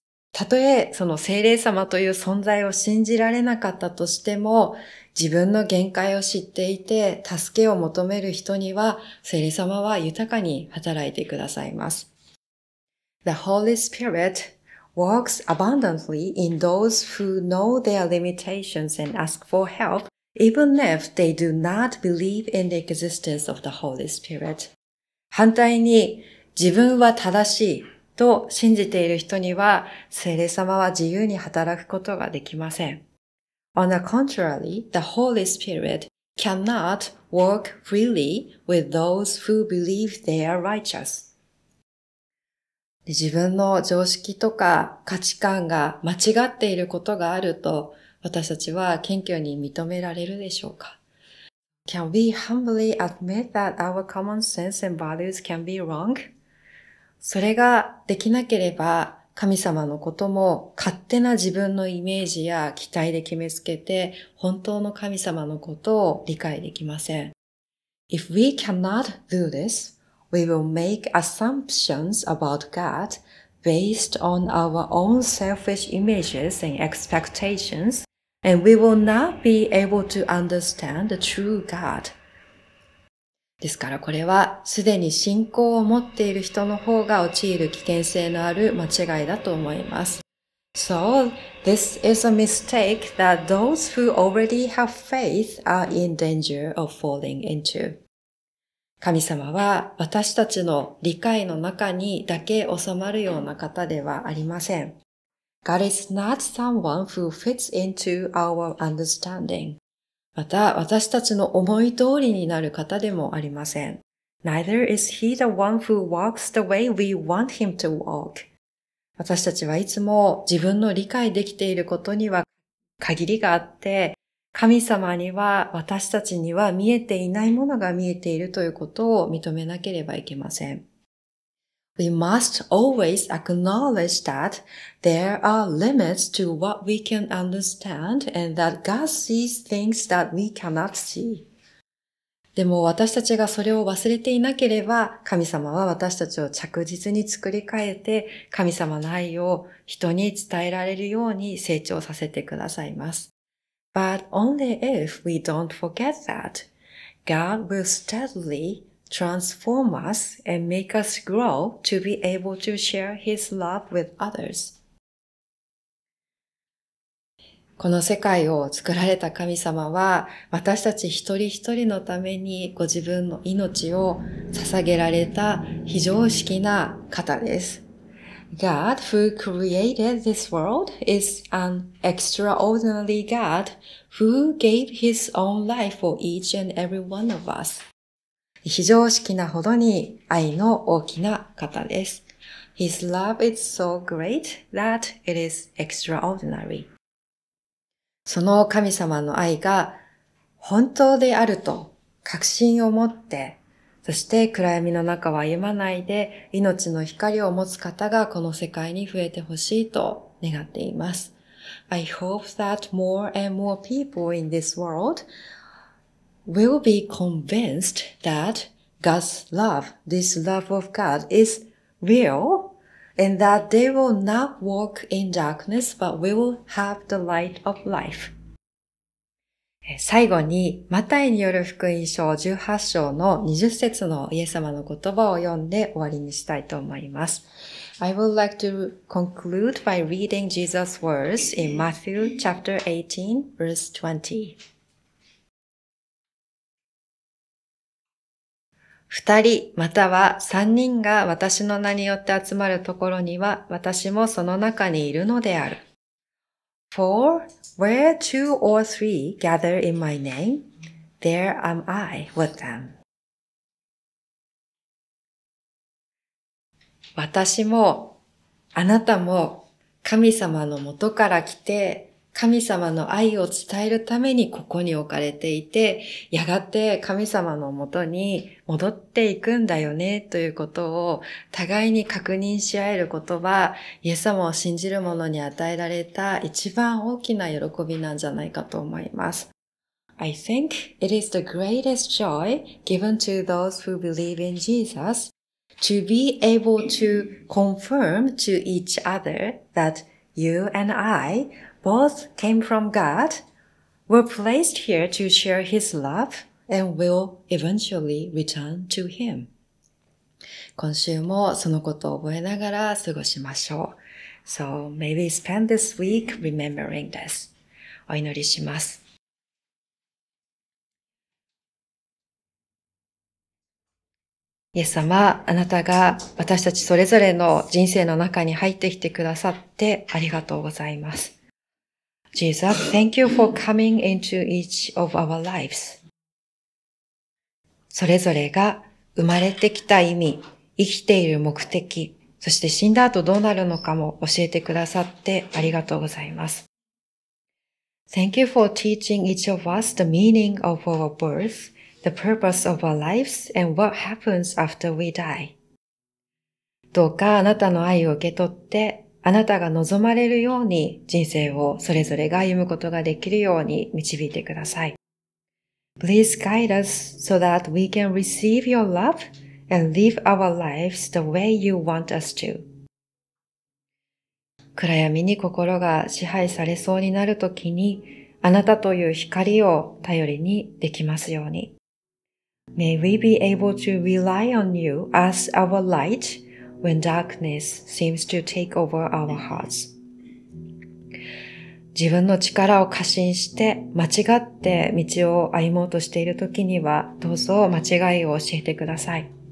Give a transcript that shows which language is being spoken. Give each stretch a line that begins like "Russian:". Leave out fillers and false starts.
Japanese: たとえその聖霊様という存在を信じられなかったとしても、自分の限界を知っていて助けを求める人には聖霊様は豊かに働いてくださいます。
English: The Holy Spirit works abundantly in those who know their limitations and ask for help. Even if they do not believe in the existence of the Holy Spirit.
Japanese: 反対に、自分は正しいと信じている人には、聖霊様は自由に働くことができません。
English: On the contrary, the Holy Spirit cannot work freely with those who believe they are righteous.
Japanese: 自分の常識とか価値観が間違っていることがあると、私たちは謙虚に認められるでしょうか?
English: Can we humbly admit that our common sense and values can be wrong?
Japanese: それができなければ、神様のことも勝手な自分のイメージや期待で決めつけて、本当の神様のことを理解できません。
English: If we cannot do this, we will make assumptions about God based on our own selfish images and expectations,And we will not be able to understand the true God.
Japanese: ですからこれはすでに信仰を持っている人の方が陥る危険性のある間違いだと思います。
English: So, this is a mistake that those who already have faith are in danger of falling into.
Japanese: 神様は私たちの理解の中にだけ収まるような方ではありません。
English: God is not someone who fits into our understanding.
Japanese: また、私たちの思い通りになる方でもありません。
English: Neither is he the one who walks the way we want him to walk.
Japanese: 私たちはいつも自分の理解できていることには限りがあって、神様には私たちには見えていないものが見えているということを認めなければいけません。
English: We must always acknowledge that there are limits to what we can understand and that God sees things that we cannot see.
Japanese: でも私たちがそれを忘れていなければ、神様は私たちを着実に作り変えて、神様の愛を人に伝えられるように成長させてくださいます。
English: But only if we don't forget that, God will steadlytransform us and make us grow to be able to share his love with others.
Japanese: この世界を作られた神様は私たち一人一人のためにご自分の命を捧げられた非常識な方です。
English: God who created this world is an extraordinary God who gave his own life for each and every one of us.
Japanese: 非常識なほどに愛の大きな方です。
English: His love is so great that it is extraordinary.
Japanese: その神様の愛が本当であると確信を持って、そして暗闇の中は歩まないで命の光を持つ方がこの世界に増えてほしいと願っています。
English: I hope that more and more people in this world will be convinced that God's love, this love of God is real and that they will not walk in darkness but will have the light of life.
Japanese: 最後に、マタイによる福音書18章の20節のイエス様の言葉を読んで終わりにしたいと思います。
English: I would like to conclude by reading Jesus' words in Matthew chapter 18, verse 20.
Japanese: 二人または三人が私の名によって集まるところには私もその中にいるのである。
English: For where two or three gather in my name, there am I with them.
Japanese: 私もあなたも神様の元から来て神様の愛を伝えるためにここに置かれていて、やがて神様のもとに戻っていくんだよね、ということを互いに確認し合えることは、イエス様を信じる者に与えられた一番大きな喜びなんじゃないかと思います。
English: I think it is the greatest joy given to those who believe in Jesus to be able to confirm to each other that you and I,Both came from God, were placed here to share His love, and will eventually return to Him.
Japanese: 今週もそのことを覚えながら過ごしましょう。
English: So maybe spend this week remembering this.
Japanese: お祈りします。イエス様、あなたが私たちそれぞれの人生の中に入ってきてくださってありがとうございます。
English: Jesus, thank you for coming into each of our lives.
Japanese: それぞれが生まれてきた意味、生きている目的、そして死んだ後どうなるのかも教えてくださってありがとうございます。
English: Thank you for teaching each of us the meaning of our birth, the purpose of our lives, and what happens after we die.
Japanese: どうかあなたの愛を受け取って、あなたが望まれるように人生をそれぞれが歩むことができるように導いてください。
English: Please guide us so that we can receive your love and live our lives the way you want us to.
Japanese: 暗闇に心が支配されそうになるときに、あなたという光を頼りにできますように。
English: May we be able to rely on you as our light. When darkness seems to take over our hearts.
Japanese: 自分の力を過信して間違って道を歩もうとしているときにはどうぞ間違いを教えてください。